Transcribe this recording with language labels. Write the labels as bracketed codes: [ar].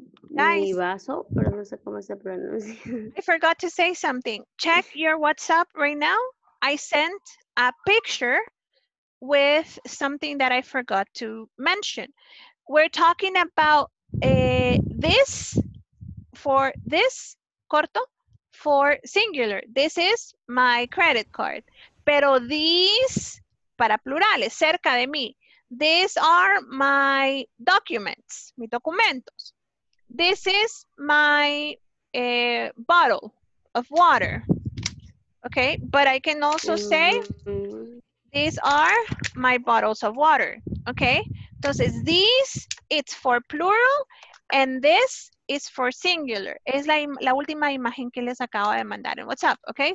[es] Nice. Mi vaso, pero no sé cómo se pronuncia. [en] I forgot to say something. Check your WhatsApp right now. I sent a picture with something that I forgot to mention. We're talking about this for this corto for singular. This is my credit card. [es] Pero [en] these, [es] para plurales, cerca de mí. [en] These are my documents, [es] mis documentos. [en] This is my bottle of water. Okay, but I can also say, these are my bottles of water, okay? [es] Entonces, [en] these, it's for plural, and this is for singular. [es] Es la última imagen que les acabo de mandar en WhatsApp, okay?